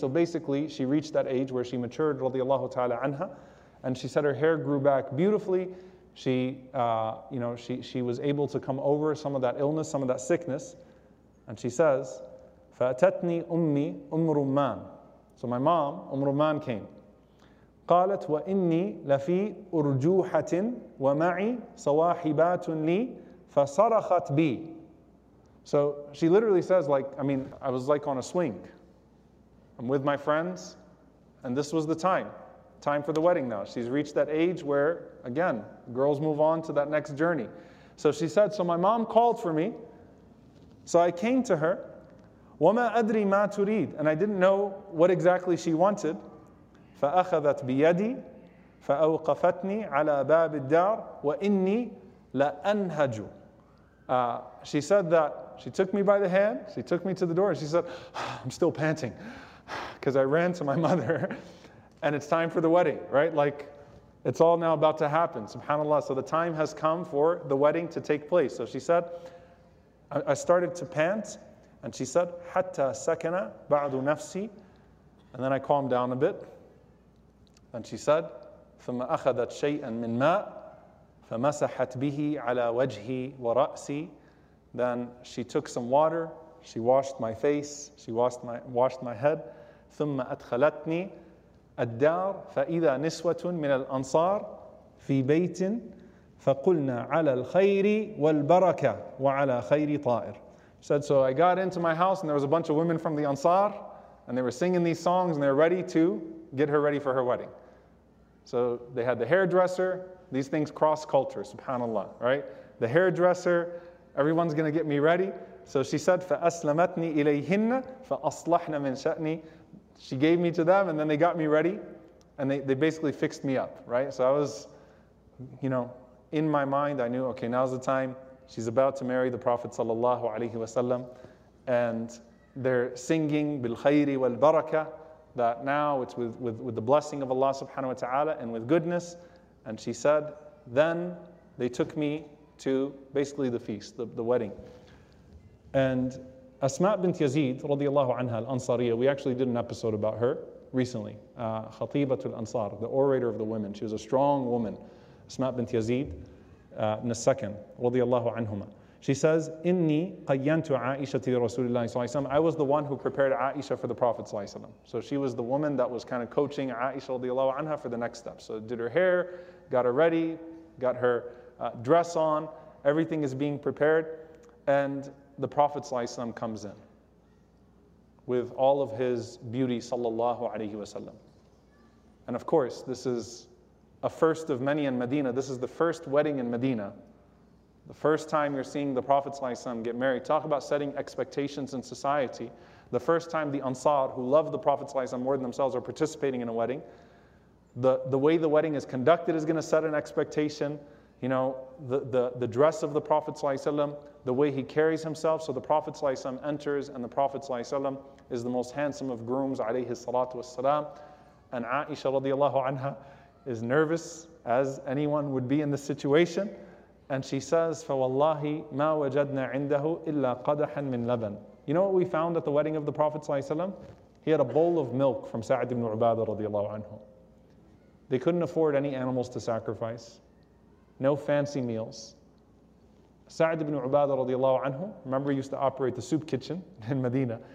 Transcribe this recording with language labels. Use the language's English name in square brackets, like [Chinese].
[English] So basically, she reached that age where she matured, radiallahu ta'ala anha, and she said her hair grew back beautifully. She was able to come over some of that illness, some of that sickness. And she says, [Arabic] فَأَتَتْنِي أُمِّي أُمْ رُمَّانِ. [English] So my mom, Umm Rumman, came. [Arabic] قالت وإني لفي أرجوحة ومعي صواحبات لي فصرخت بي. [English] So she literally says, like, I mean, I was like on a swing. I'm with my friends, and this was the time. Time for the wedding now. She's reached that age where, again, girls move on to that next journey. So she said, so my mom called for me. So I came to her. [Arabic] وَمَا أَدْرِي مَا تُرِيدُ. [English] And I didn't know what exactly she wanted. [Arabic] فَأَخَذَتْ بِيَدِي فَأَوْقَفَتْنِي عَلَى بَابِ الدَّارِ وَإِنِّي لَأَنْهَجُ. [English] She said that she took me by the hand, she took me to the door, and she said, I'm still panting because I ran to my mother and it's time for the wedding, right? Like, it's all now about to happen, subhanAllah. So the time has come for the wedding to take place. So she said, I started to pant, and she said, [Arabic] حَتَّى سَكَنَ بَعْضُ نَفْسِي. [English] And then I calmed down a bit. And she said, [Arabic] ثُمَّ أَخَذَتْ شَيْئًا مِنْ مَاءٍ فَمَسَحَتْ بِهِ عَلَى وَجْهِي وَرَأْسِي. [English] Then she took some water, she washed my face, she washed my head. [Arabic] ثُمَّ أَدْخَلَتْنِي الدَّارِ فَإِذَا نِسْوَةٌ مِنَ الْأَنصَارِ فِي بَيْتٍ فَقُلْنَا عَلَى الْخَيْرِ وَالْبَرَكَةِ وَعَلَى خَيْرِ طَائِرٍ. [English] She said, so I got into my house and there was a bunch of women from the Ansar and they were singing these songs and they were ready to get her ready for her wedding. So they had the hairdresser. These things cross culture, subhanAllah, right? The hairdresser, everyone's going to get me ready. So she said, [Arabic] فَأَسْلَمَتْنِي إِلَيْهِنَّ فَأَصْلَحْنَا مِنْ شَأْنِي. [English] She gave me to them and then they got me ready and they basically fixed me up, right? So I was, you know, in my mind, I knew, okay, now's the time. She's about to marry the Prophet sallallahu alaihi wasallam, and they're singing bil khayri wal baraka, that now it's with the blessing of Allah subhanahu wa ta'ala and with goodness. And she said, then they took me to basically the feast, the wedding. And Asma bint Yazid radiallahu anha al-Ansariya, we actually did an episode about her recently, Khatibatul Ansar, the orator of the women. She was a strong woman. Asma bint Yazid, in a second, radiallahu anhuma. She says, [Arabic] إِنِّي قَيَّنْتُ عَائِشَةِ رَسُولِ اللَّهِ صَلَّى اللَّهُ عَلَيْهِ وَسَلَّمَ. [English] I was the one who prepared Aisha for the Prophet صلى الله عليه وسلم. So she was the woman that was kind of coaching Aisha radiallahu anha for the next step. So did her hair, got her ready, got her dress on, everything is being prepared, and the Prophet صلى الله عليه وسلم comes in with all of his beauty صلى الله عليه وسلم. And of course, this is a first of many in Medina. This is the first wedding in Medina. The first time you're seeing the Prophet ﷺ get married, talk about setting expectations in society. The first time the Ansar, who love the Prophet ﷺ more than themselves, are participating in a wedding. The way the wedding is conducted is going to set an expectation. You know, the dress of the Prophet ﷺ, the way he carries himself. So the Prophet ﷺ enters and the Prophet ﷺ is the most handsome of grooms, alayhi salatu wassalam. And Aisha radiallahu anha is nervous, as anyone would be in this situation. And she says, [Arabic] فَوَاللَّهِ مَا وَجَدْنَا عِنْدَهُ إِلَّا قَدَحًا مِنْ لَبَنٍ. [English] You know what we found at the wedding of the Prophet ﷺ? He had a bowl of milk from Sa'd ibn Ubadah radiallahu anhu. They couldn't afford any animals to sacrifice. No fancy meals. Sa'd ibn Ubadah radiallahu anhu, remember, he used to operate the soup kitchen in Medina.